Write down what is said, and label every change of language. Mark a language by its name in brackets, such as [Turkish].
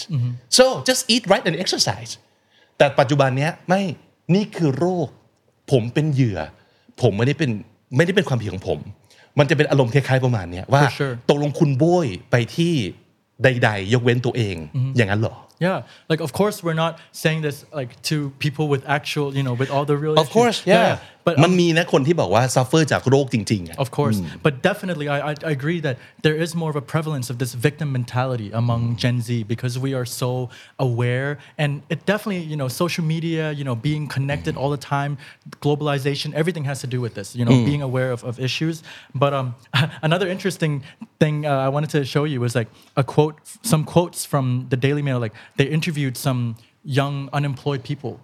[English] mm-hmm. so just eat right and exercise [Thai] แต่ปัจจุบันเนี้ยไม่นี่คือโรคผมเป็นเหยื่อผมไม่ได้เป็นความผิดของผมมันจะเป็นอารมณ์คล้ายๆประมาณเนี้ยว่า [English] For sure. [Thai] ตกลงคุณโบยไปที่ใดๆยกเว้นตัวเอง mm-hmm. อย่างนั้นหรอ [English] Yeah like of course we're not saying this like to people with actual you know with all the real Of course yeah. yeah but [Thai] มันมีนะคนที่บอกว่าซัฟเฟอร์จากโรคจริง [English] ๆ Of course mm-hmm. but definitely I agree that there is more of a prevalence of this victim mentality among mm-hmm. Gen Z because we are so aware and it definitely you know social media you know being connected mm-hmm. all the time globalization everything has to do with this you know mm-hmm. being aware of issues but another interesting thing I wanted to show you was like a quote some quotes from the Daily Mail like they interviewed some young unemployed people